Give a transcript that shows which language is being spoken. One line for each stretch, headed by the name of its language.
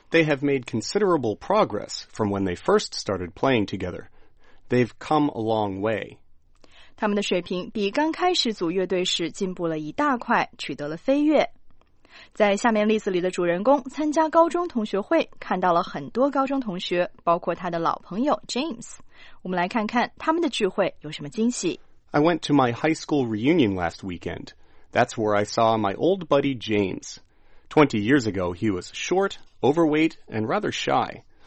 English: They have made considerable progress from when they first started playing together. They've come a long way.
Chinese: 他们的水平比刚开始组乐队时进步了一大块，取得了飞跃。在下面例子里的主人公参加高中同学会，看到了很多高中同学，包括他的老朋友 James。我们来看看他们的聚会有什么惊喜。
English: I went to my high school reunion last weekend. That's where I saw my old buddy James. 20 years ago, he was short, overweight, and rather shy.